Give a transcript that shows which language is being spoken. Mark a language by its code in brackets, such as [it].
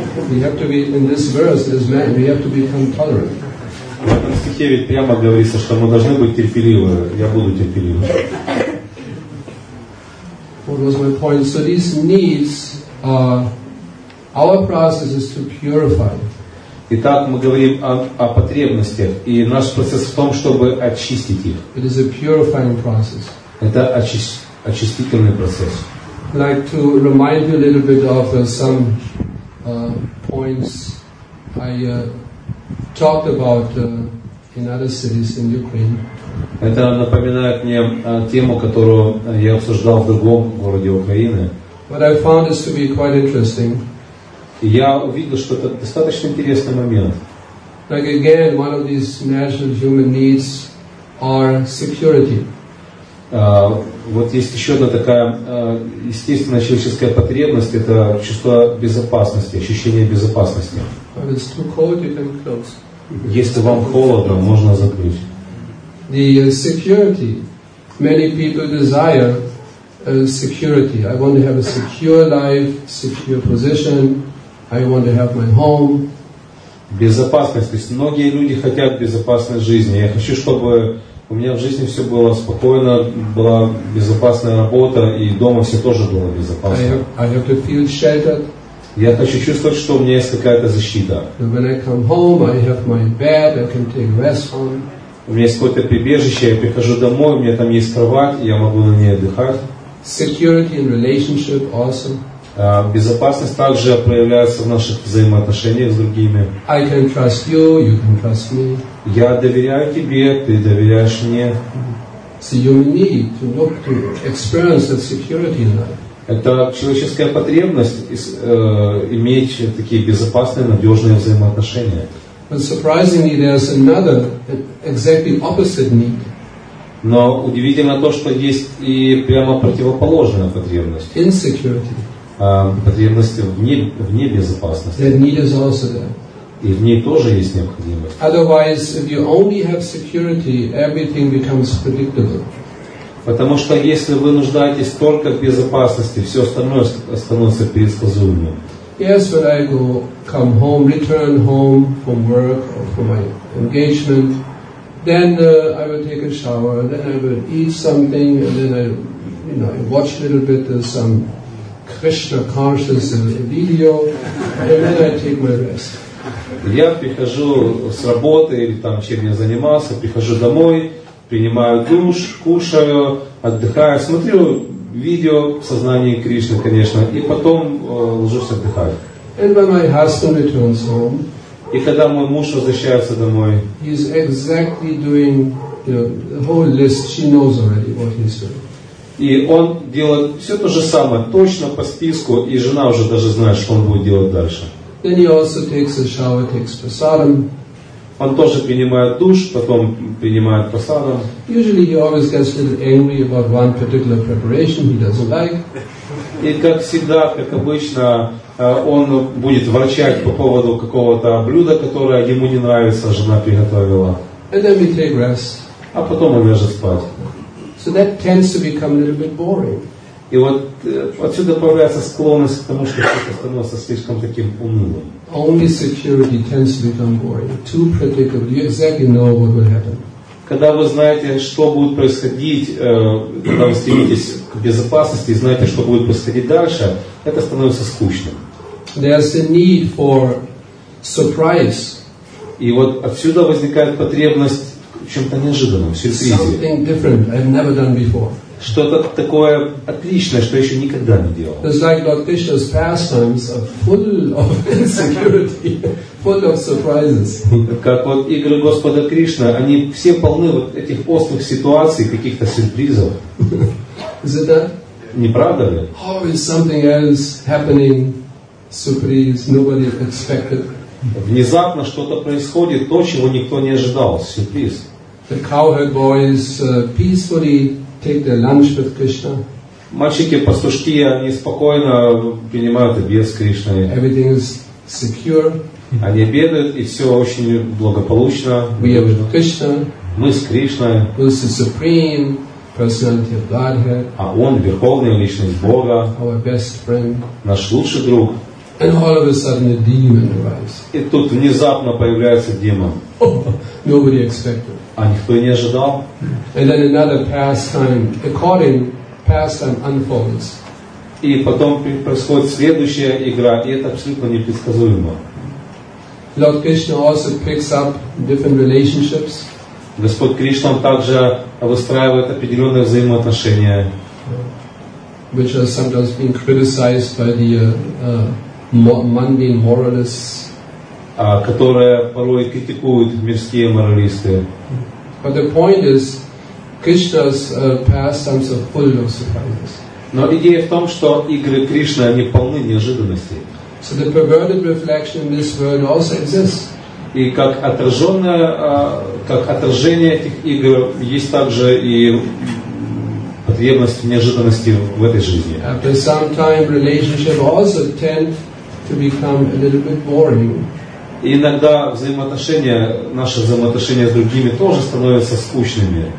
[en] We have to be in this verse, this man, we have to become tolerant. [ru] В этом стихе ведь прямо говорится, что мы должны быть терпеливы. Я буду терпеливым. [en] What was my point? So these needs our process is to purify. [ru] Итак, мы говорим о потребностях, и наш процесс в том, чтобы очистить их. [en] It is a purifying process. [ru] Это очистительный процесс. [en] I'd like to remind you a little bit of some points I talked about in other cities in Ukraine. [ru] Это напоминает мне тему, которую я обсуждал в другом городе Украины. [en] What I found this to be quite interesting. [ru] Я увидел, что это достаточно интересный момент. [en] Like again, one of these national human needs are security. [ru] Вот есть еще одна такая естественная человеческая потребность – это чувство безопасности, ощущение безопасности. [en] But it's too cold, you can close. [ru] Если вам холодно, можно закрыть. [en] The security. Many people desire security. I want to have a secure life, secure position. I want to have my home. [ru] безопасность. То есть многие люди хотят безопасной жизни. Я хочу, чтобы у меня в жизни все было спокойно, была безопасная работа, и дома все тоже было безопасно. [en] I have to feel sheltered. [ru] Я хочу чувствовать, что у меня есть какая-то защита. [en] When I come home, I have my bed, I can take rest on. [ru] У меня есть какое-то прибежище, я прихожу домой, у меня там есть кровать, я могу на ней отдыхать. [en] Security in relationship also. [ru] Безопасность также проявляется в наших взаимоотношениях с другими. [en] I can trust you, you can trust me. [ru] Я доверяю тебе, ты доверяешь мне. [en] So you need to look to experience that security in life. [ru] Это человеческая потребность иметь такие безопасные, надежные взаимоотношения. [en] But surprisingly, there's another exactly opposite need. [ru] Но удивительно то, что есть и прямо противоположная потребность. [en] Insecurity. [ru] Потребности в небезопасности. [en] That need is also there. [ru] И в ней тоже есть необходимость. [en] Otherwise, if you only have security, everything becomes predictable. [ru] Потому что если вы нуждаетесь только в безопасности, все остальное становится предсказуемым. [en] Yes, when I go, come home, return home from work or from my engagement, then I will take a shower, then I will eat something, and then I, you know, I watch a little bit of some Krishna conscious video, and then I take my rest. [ru] Я прихожу с работы или там чем я занимался, прихожу домой, принимаю душ, кушаю, отдыхаю, смотрю видео в сознании Кришны, конечно, и потом ложусь отдыхать. [en] And when my husband returns home, [ru] и когда мой муж возвращается домой, [en] he's exactly doing, you know, the whole list. She knows already what he's doing. [ru] И он делает все то же самое, точно по списку, и жена уже даже знает, что он будет делать дальше. [en] Then he also takes a shower, takes prasadam. [ru] Он тоже принимает душ, потом принимает прасадам. [en] Usually he always gets a little angry about one particular preparation he doesn't like. [ru] И как всегда, как обычно, он будет ворчать по поводу какого-то блюда, которое ему не нравится, жена приготовила. [en] And then we take rest. [ru] А потом он ляжет спать. [en] So that tends to become a little bit boring. [ru] И вот отсюда появляется склонность к тому, что это становится слишком таким унылым. [en] Only security tends to become boring. Too predictable. You exactly know what will happen. [ru] Когда вы знаете, что будет происходить, когда вы стремитесь к безопасности и знаете, что будет происходить дальше, это становится скучным. [en] There's a need for surprise. [ru] И вот отсюда возникает потребность в чем-то неожиданном, в сюрпризе. [en] Something different I've never done before. [ru] Что-то такое отличное, что я еще никогда не делал. [en] It's like Lord Krishna's pastimes are full of insecurity, full of surprises. [ru] Как вот игры Господа Кришны, они все полны вот этих острых ситуаций, каких-то сюрпризов. [en] Is it that? [ru] Не правда ли? [en] Oh, is something else happening, surprise, nobody expected. [ru] Внезапно что-то происходит, то, чего никто не ожидал, сюрприз. [en] The cowherd boys peacefully take their lunch with Krishna. [ru] Мальчики-пастушки, они спокойно принимают обед с Кришной. [en] Everything is secure. [ru] Они обедают, и все очень благополучно. [en] We are with Krishna. [ru] Мы с Кришной. [en] Who is the supreme personality of Godhead. [ru] А он верховная личность Бога. [en] Our best friend. [ru] Наш лучший друг. [en] And all of a sudden a demon arrives. [ru] И тут внезапно появляется демон. [en] Nobody expected. [ru] А никто не ожидал. [en] And then another pastime, according pastime unfolds. [ru] И потом происходит следующая игра, и это абсолютно непредсказуемо. [en] Lord Krishna also picks up different relationships. [ru] Господь Кришна также выстраивает определенные взаимоотношения, [en] which are sometimes being criticized by the mundane moralists. [ru] Которые порой критикуют мирские моралисты. [en] But the point is, Krishna's pastimes are full of surprises. [ru] Но идея в том, что игры Кришны, они полны неожиданностей. [en] So the perverted reflection in this world also exists. [ru] И как отраженное, как отражение этих игр, есть также и потребность в неожиданности в этой жизни. [en] After some time, relationship also tend to become a little bit boring. [ru] И иногда взаимоотношения, наши взаимоотношения с другими тоже становятся скучными.